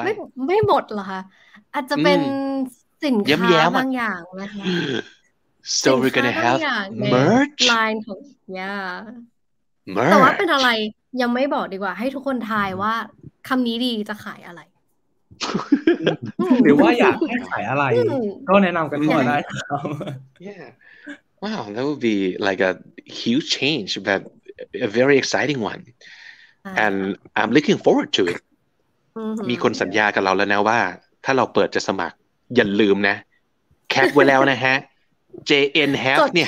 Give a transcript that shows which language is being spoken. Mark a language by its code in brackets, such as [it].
[th] ไม่หมดเหรอคะอาจจะเป็นสินค้าบางอย่างนะคะ [en] so we're gonna have merch [th] line ของ [en] yeah [th] แต่ว่าเป็นอะไรยังไม่บอกดีกว่าให้ทุกคนทายว่าคำนี้ดีจะขายอะไร หรือว่าอยากให้ขายอะไรก็แนะนำกันมาได้ [en] yeah wow that would be like a huge change butA very exciting one, and I'm looking forward to it. [th] มีคนสัญญากับเราแล้วนะว่าถ้าเราเปิดจะสมัครอย่าลืมนะแคปไว้แล้วนะฮะ JN Half เนี่ย